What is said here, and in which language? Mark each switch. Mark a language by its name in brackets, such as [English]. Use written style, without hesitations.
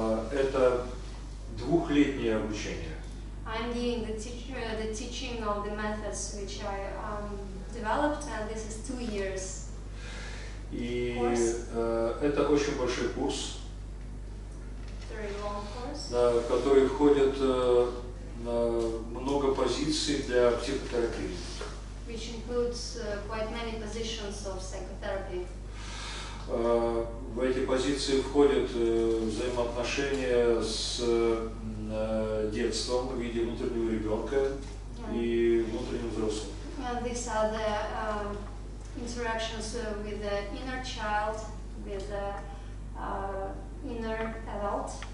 [Russian] Это двухлетнее обучение. [English] I'm doing the teaching of the methods which I developed, and this is 2 years. [Russian] И это очень большой курс. [English] Very long course. [Russian] Да, в который входит много позиций для психотерапии. [English] Which includes quite many positions of psychotherapy. [Russian] В эти позиции входят взаимоотношения с детством в виде внутреннего ребенка и внутреннего взрослого. [English] And these are the interactions with the inner child, with the inner adult.